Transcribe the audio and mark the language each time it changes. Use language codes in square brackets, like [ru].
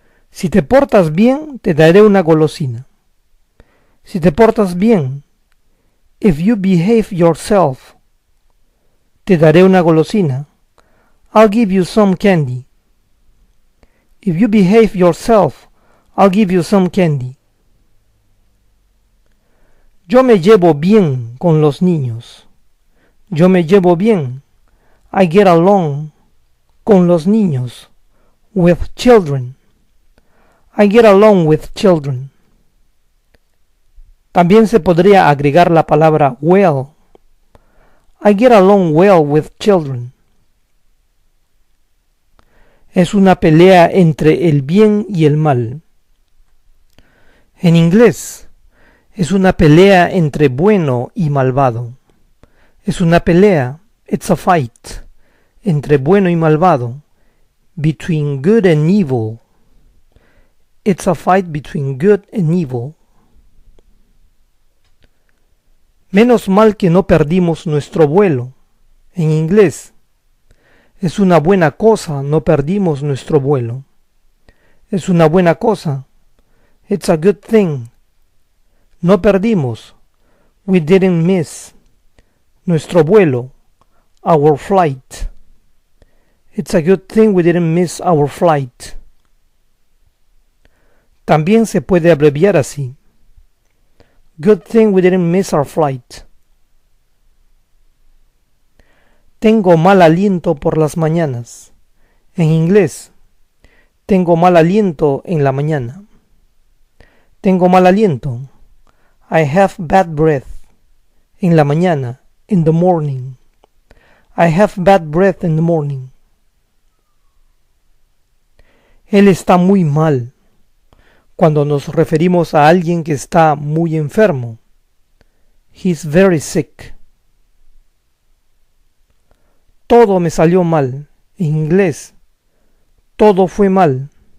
[es] Si te portas bien, te daré una golosina. Si te portas bien, [en] if you behave yourself, [es] te daré una golosina. [en] I'll give you some candy. If you behave yourself, I'll give you some candy. [es] Yo me llevo bien con los niños. Yo me llevo bien. [en] I get along [es] con los niños. [en] With children. I get along with children. [es] También se podría agregar la palabra well. [en] I get along well with children. [es] Es una pelea entre el bien y el mal. En inglés, es una pelea entre bueno y malvado. Es una pelea, [en] it's a fight, [es] entre bueno y malvado, [en] between good and evil. It's a fight between good and evil. [es] Menos mal que no perdimos nuestro vuelo. En inglés, es una buena cosa no perdimos nuestro vuelo. Es una buena cosa. [en] It's a good thing. [es] No perdimos. [en] We didn't miss. [es] Nuestro vuelo. [en] Our flight. It's a good thing we didn't miss our flight. [es] También se puede abreviar así. [en] Good thing we didn't miss our flight. [es] Tengo mal aliento por las mañanas. En inglés, tengo mal aliento en la mañana. Tengo mal aliento. [en] I have bad breath. [es] En la mañana, [en] in the morning. I have bad breath in the morning. [es] Él está muy mal. Cuando nos referimos a alguien que está muy enfermo. [en] He's very sick. [es] Todo me salió mal. En inglés, todo fue mal.